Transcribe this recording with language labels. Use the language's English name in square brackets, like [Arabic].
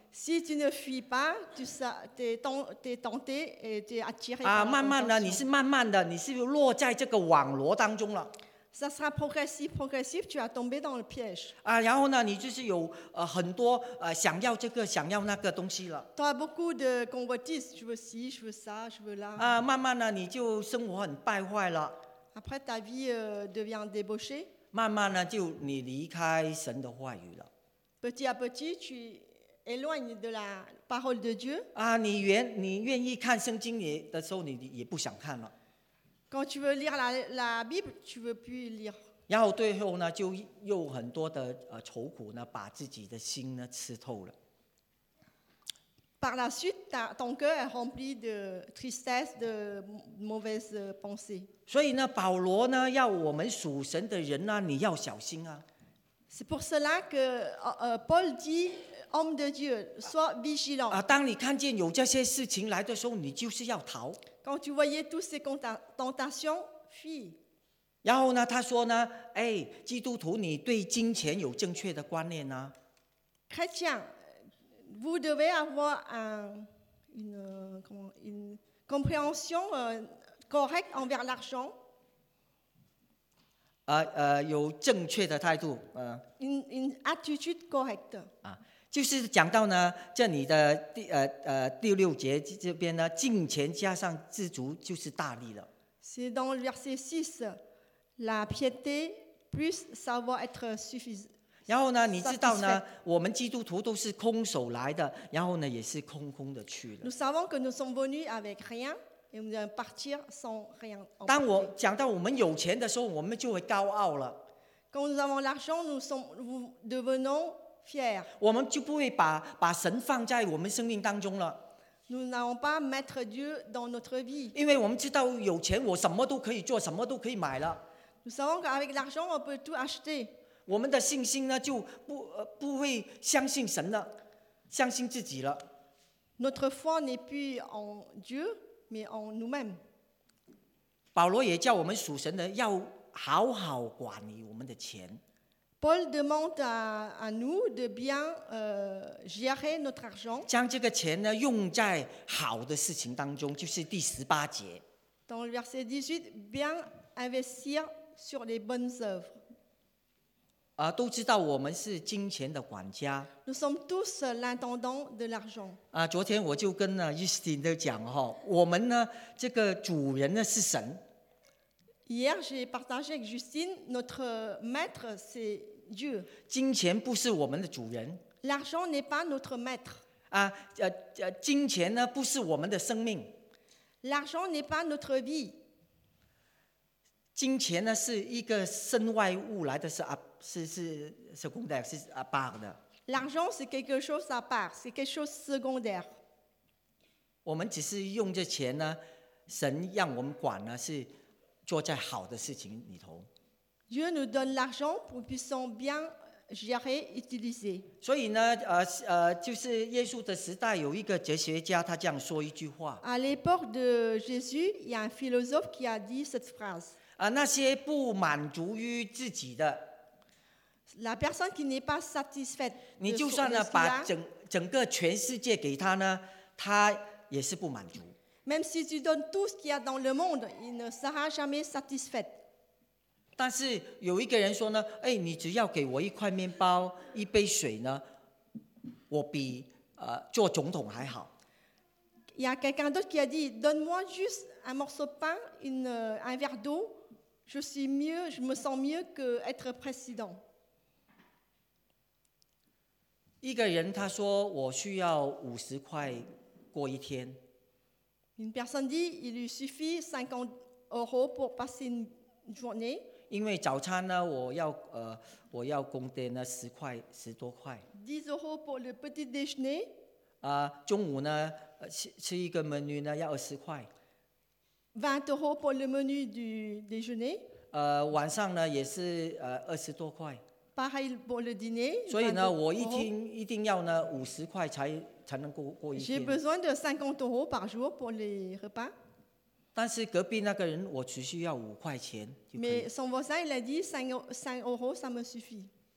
[French] Si tu ne fuis pas, tu seras tenté et tu es attiré. [Chinese] 啊，慢慢的，你是慢慢的，你是落在这个网罗当中了。 [French] Ça sera progressif, tu vas tomber dans le piège. [Chinese] 啊，然后呢，你就是有很多想要这个想要那个东西了。 [French] Tu as beaucoup de convoitises, je veux ci, je veux ça, je veux là. [Chinese] 啊，慢慢的，你就生活很败坏了。 [French] Après, ta vie devient débauchée. [Chinese] 慢慢呢，就你离开神的话语了。 [French] Petit à petit, tu éloignes de la parole de Dieu. [Chinese] 啊，你愿意看圣经的时候，你也不想看了。 [French] Quand tu veux lire la Bible, tu veux plus lire. [Chinese] 然后最后呢，就又很多的愁苦呢，把自己的心呢吃透了。 [French] Par la suite, ton cœur est rempli de tristesse, de mauvaises pensées. [Chinese] 所以呢，保罗呢，要我们属神的人呢，你要小心啊。 [French] C'est pour cela que Paul dit, homme de Dieu, sois vigilant. [Chinese] 啊，当你看见有这些事情来的时候，你就是要逃。 [French] Quand tu voyais toutes ces tentations, fuis. [Chinese] 然后呢，他说呢，哎，基督徒，你对金钱有正确的观念呢？ [French] Chrétien, vous devez avoir une compréhension. Correct envers l'argent. [Chinese] 有正确的态度。 [French] In attitude correct. [Chinese] 就是讲到呢，这里的第六节这边呢，金钱加上知足就是大力了。 [French] C'est dans le verset 6, la piété plus savoir être suffisant. [Chinese] 然后呢，你知道呢，我们基督徒都是空手来的，然后呢，也是空空的去了。 [French] Nous savons que nous sommes venus avec rien. Et nous allons partir sans rien. [Chinese] 当我讲到我们有钱的时候，我们就会高傲了。 [French] Quand nous avons l'argent, nous devenons fiers. [Chinese] 我们就不会把神放在我们生命当中了。 [French] Nous n'allons pas mettre Dieu dans notre vie. [Chinese] 因为我们知道有钱，我什么都可以做，什么都可以买了。 [French] Nous savons qu'avec l'argent, on peut tout acheter. [Chinese] 我们的信心呢，就不会相信神了，相信自己了。 [French] Notre foi n'est plus en Dieu. Mais en nous-mêmes. [Chinese] 保罗也叫我们属神的要好好管理我们的钱。 [French] Paul demande à nous de bien gérer notre argent. [Chinese] 将这个钱呢用在好的事情当中，就是第十八节。 [French] Dans le verset 18, bien investir sur les bonnes œuvres. [Chinese] 啊，都知道我们是金钱的管家。 [French] Nous sommes tous l'intendant de l'argent. [Chinese] 啊，昨天我就跟Justin都讲哈，我们呢这个主人呢是神。 [French] Hier, j'ai partagé avec Justine, notre maître, c'est Dieu. [Chinese] 金钱不是我们的主人。 [French] L'argent n'est pas notre maître. [Chinese] 啊，金钱呢不是我们的生命。 [French] L'argent n'est pas notre vie. [Chinese] 金钱呢是一个身外物来的，是secondaire, 是 [French] à part [Chinese] 的。 [French] L'argent, c'est quelque chose à part, c'est quelque chose secondaire. [Chinese] 我们只是用这钱呢，神让我们管呢是。做在好的事情里头。 [French] Dieu nous donne l'argent pour qu'ils soient bien gérés, utilisés. [Chinese] 所以呢，就是耶稣的时代有一个哲学家，他这样说一句话。 [French] À l'époque de Jésus, il y a un philosophe qui a dit cette phrase. [Chinese] 啊，那些不满足于自己的。 [French] La personne qui n'est pas satisfaite. [Chinese] 你就算呢，把整个全世界给他呢，他也是不满足。 [French] Même si tu donnes tout ce qu'il y a dans le monde, il ne sera jamais satisfait. [Chinese] 但是有一个人说呢，哎，你只要给我一块面包、一杯水呢，我比做总统还好。 [French] Il y a quelqu'un d'autre qui a dit, donne-moi juste un morceau de pain, un verre d'eau, je suis mieux, je me sens mieux que être président. [Chinese] 一个人他说我需要五十块过一天。 [French] Une personne dit qu'il lui suffit 50 euros pour passer une journée. [Chinese] 因为早餐呢，我要工资呢十多块。 [French] 10 euros pour le petit déjeuner. [Chinese] 中午呢，吃一个 menu 呢要20块。 [French] 20 euros pour le menu du déjeuner. [Chinese] 晚上呢也是20多块。 [French] Pareil pour le dîner. [Chinese] 所以呢，我一定要呢50块才。 [French] J'ai besoin de 50 euros par jour pour les repas. [Chinese] 但是隔壁那个人，我只需要五块钱就可以。 [French] Mais son voisin, il a dit 5 euros, ça me suffit.